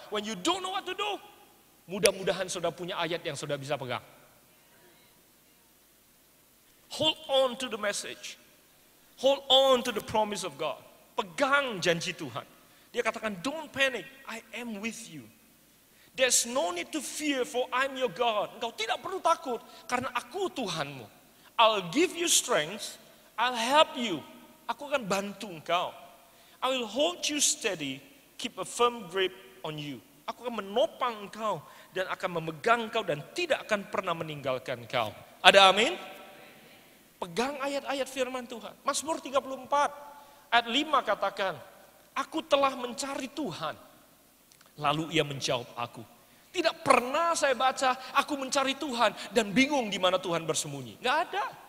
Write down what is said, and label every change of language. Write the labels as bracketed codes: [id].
[en] When you don't know what to do, [id] mudah-mudahan sudah punya ayat yang sudah bisa pegang. [en] Hold on to the message. Hold on to the promise of God. [id] Pegang janji Tuhan. Dia katakan, [en] don't panic, I am with you. There's no need to fear, for I'm your God. [id] Engkau tidak perlu takut, karena aku Tuhanmu. [en] I'll give you strength, I'll help you. [id] Aku akan bantu engkau. [en] I will hold you steady, keep a firm grip on you. [id] Aku akan menopang engkau, dan akan memegang engkau, dan tidak akan pernah meninggalkan engkau. Ada amin? Pegang ayat-ayat firman Tuhan. Mazmur 34, ayat 5 katakan, aku telah mencari Tuhan. Lalu ia menjawab aku. Tidak pernah saya baca, aku mencari Tuhan dan bingung di mana Tuhan bersembunyi. Gak ada.